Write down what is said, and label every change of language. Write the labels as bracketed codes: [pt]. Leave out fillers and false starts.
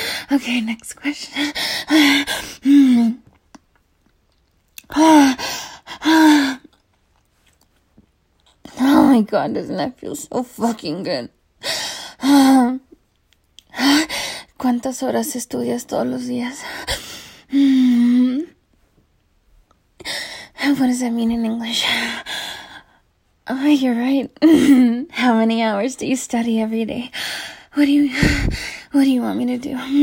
[en] Okay, next question. Oh my god, doesn't that feel so fucking good? [es] ¿Cuántas horas estudias todos los días? [en] What does that mean in English? Oh, you're right. How many hours do you study every day? What do you want me to do?